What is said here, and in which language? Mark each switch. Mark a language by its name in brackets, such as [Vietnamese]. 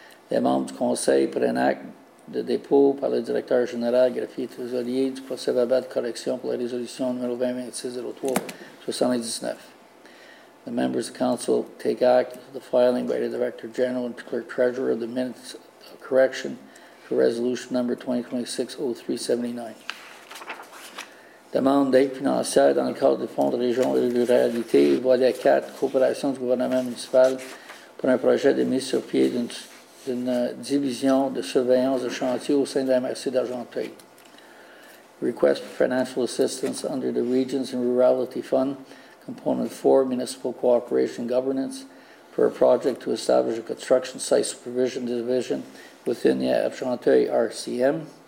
[French] Les membres du conseil prennent acte de dépôt par le directeur général, greffier et trésorier du procès-verbal de correction pour la résolution numéro 2026-03-79. [English] The members of council take act of the filing by the director general and clerk treasurer of the minutes of correction for resolution number 2026-03-79. [French] Demande d'aide financière dans le cadre du Fonds de région et de ruralité, volet 4, coopération du gouvernement municipal pour un projet de mise sur pied d'une division de surveillance de chantier au sein de la MRC d'Argenteuil. [English] Request for financial assistance under the Regions and Rurality Fund, Component 4, Municipal Cooperation Governance, for a project to establish a construction site supervision division within the Argenteuil RCM.